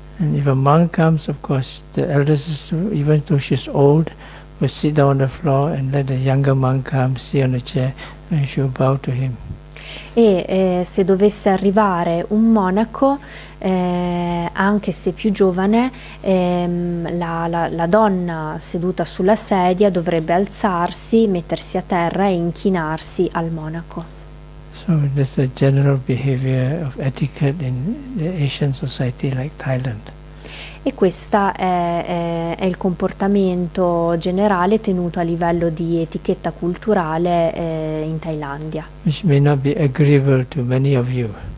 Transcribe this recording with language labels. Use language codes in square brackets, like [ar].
[en] And if a monk comes, of course, the elder sister, even though she's old, will sit down on the floor and let the younger monk come, sit on the chair, and she will bow to him. [it] Se dovesse arrivare un monaco, anche se più giovane, la donna seduta sulla sedia dovrebbe alzarsi, mettersi a terra e inchinarsi al monaco. [en] So that's the general behavior of etiquette in the Asian society like Thailand. [it] E questa è il comportamento generale tenuto a livello di etichetta culturale in Thailandia. [en] Which may not be agreeable to many of you.